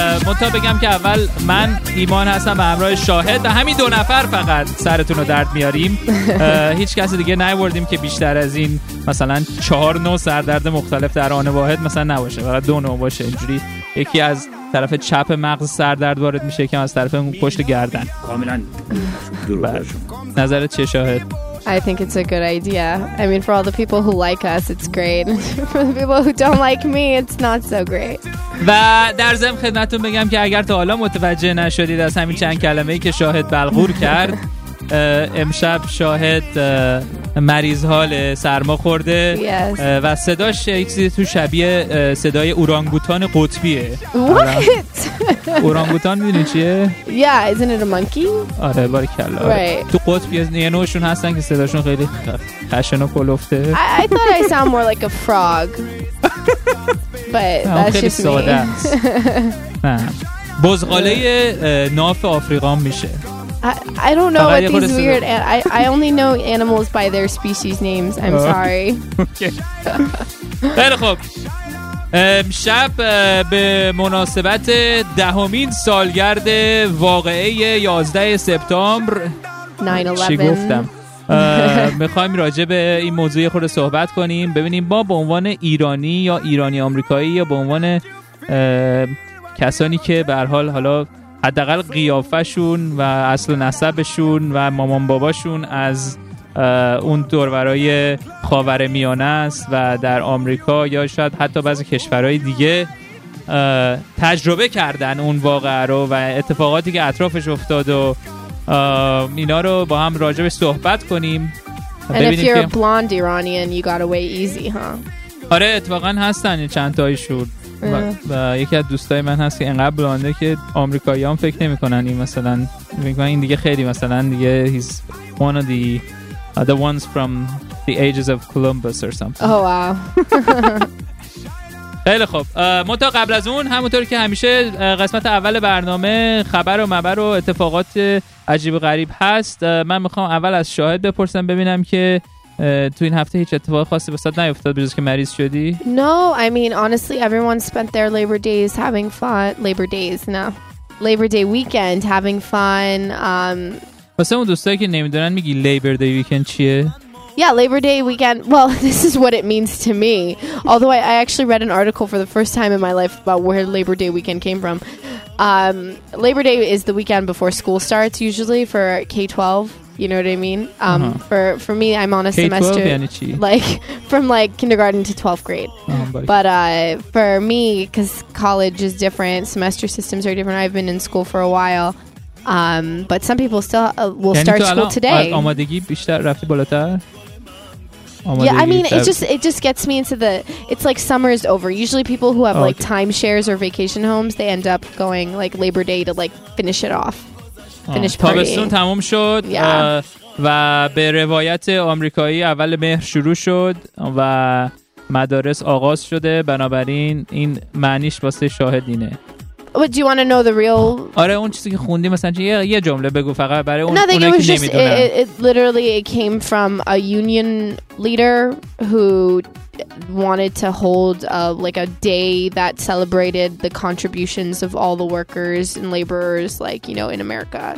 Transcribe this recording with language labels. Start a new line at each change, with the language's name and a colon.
Persian: منتها بگم که اول من ایمان هستم و همراه شاهد و همین دو نفر فقط سرتون رو درد میاریم. هیچ کس دیگه نیاوردیم که بیشتر از این مثلا 4-9 سردرد مختلف در آن واحد مثلا نباشه، فقط 2-9 باشه. اینجوری یکی از طرف چپ مغز سردرد وارد میشه، یکی از طرف پشت گردن. کاملا نظرت چه شاهد؟
English: I think it's a good idea. I mean, for all the people who like us, it's great. For the people who don't like me, it's not so great.
Persian: و در ضمن خدمتتون بگم که اگر تا حالا متوجه نشدید از همین چند کلمه‌ای که شاهد بلغور کرد، امشب شاهد مریض حاله، سرما خورده و صداش یک چیزی تو شبیه صدای اورانگوتان قطبیه.
English: What?
Persian: اورانگوتان میدونی چیه؟
English: Yeah, isn't it a monkey?
Persian: آره باریکلا.
English: Right.
Persian: تو قطب یه نوعشون هستن که صداشون خیلی خشن و کلفته.
English: I thought I sound more like a frog. But that's just me.
Persian: خیلی ساده است. بزغاله ناف آفریقام میشه.
English: I don't know what these weird I only know animals by their species names. I'm sorry.
Persian: خیلی خوب. امشب به مناسبت دهمین سالگرد واقعه 11 سپتامبر
English: 9/11
Persian: چی گفتم؟ میخوایم راجع به این موضوع خورده صحبت کنیم، ببینیم ما به عنوان ایرانی یا ایرانی آمریکایی یا به عنوان کسانی که به هر حال حالا حداقل قیافشون و اصل نسبشون و مامان باباشون از اون دورورای خاورمیانه است و در آمریکا یا شاید حتی بعضی کشورهای دیگه تجربه کردن اون واقعه رو و اتفاقاتی که اطرافش افتاد و اینا رو با هم راجع به صحبت کنیم.
English: And if you're a blonde Iranian, you got away easy, huh?
Persian: آره اتفاقا هستن چند تایشون. و یکی از دوستای من هست که انقدر بلانده که آمریکایی‌ها هم فکر نمی‌کنن این مثلا می‌گن این دیگه خیلی مثلا دیگه
English: he's one of the ones from the ages of Columbus or something. Oh wow.
Persian: خیلی خب، منتها قبل از اون همونطور که همیشه قسمت اول برنامه خبر و مبر و اتفاقات عجیب و غریب هست، من میخوام اول از شاهد بپرسم ببینم که تو این هفته هیچ اتفاق خاصی به صورت نیفتاد بجز که مریض شدی؟
English: No, I mean honestly everyone spent their labor days having fun. Labor days, no. Labor day weekend having fun.
Persian: واسه اون دوستایی که نمیدونن میگی
English: labor day weekend
Persian: چیه؟
English: Yeah, labor day weekend. Well, this is what it means to me. Although I actually read an article for the first time in my life about where labor day weekend came from. Labor day is the weekend before school starts usually for K-12. You know what I mean? For me, I'm on a semester like from like kindergarten to 12th grade. But for me, because college is different, semester systems are different. I've been in school for a while, but some people still will start school today. Yeah, I mean, it just gets me into the. It's like summer is over. Usually, people who have like timeshares or vacation homes, they end up going like Labor Day to like finish it off.
Persian: تابستون تموم شد. و به روایت آمریکایی اول مهر شروع شد و مدارس آغاز شده، بنابراین این معنیش واسه شاهد اینه.
English: But do you want to know the real...
Persian: آره اون چیزی که خوندی مثلا چیه؟ یه جمله بگو فقط برای اون اونایی که نمیدونن.
English: It literally it came from a union leader who wanted to hold like a day that celebrated the contributions of all the workers and laborers like, you know, in America.